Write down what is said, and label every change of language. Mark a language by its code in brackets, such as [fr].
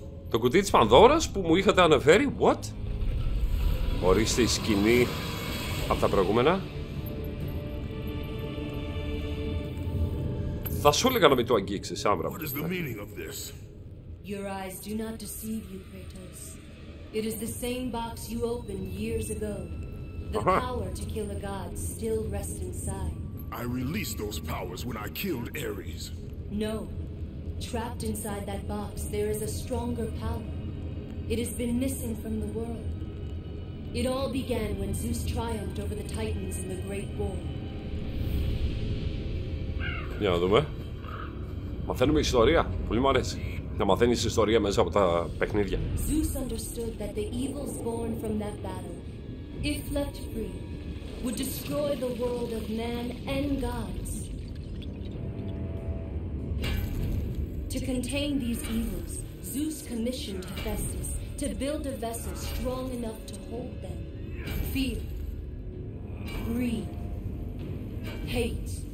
[el] Το κουτί της Πανδώρας που μου είχατε αναφέρει, [en] what? [el] Ορίστε η σκηνή από τα προηγούμενα. Θα σου έλεγα να μην το αγγίξεις, άμπρα. [en] What is the meaning of this? Your eyes do not deceive you, Kratos. It is the same box you opened years ago. The power to kill a god still rests inside. I released those powers when I killed Ares. No. Trapped inside that box, there is a stronger power. It has been missing from the world. It all began when Zeus triumphed over the Titans in the Great War. [el] Για να δούμε. Μαθαίνουμε ιστορία. Πολύ μου αρέσει. Να μαθαίνεις ιστορία μέσα από τα παιχνίδια. [en] Zeus understood that the evils born from that battle, if left free, would destroy the world of man and gods. To contain these evils, Zeus commissioned Hephaestus to build a vessel strong enough to hold them. Fear. Greed. Hate.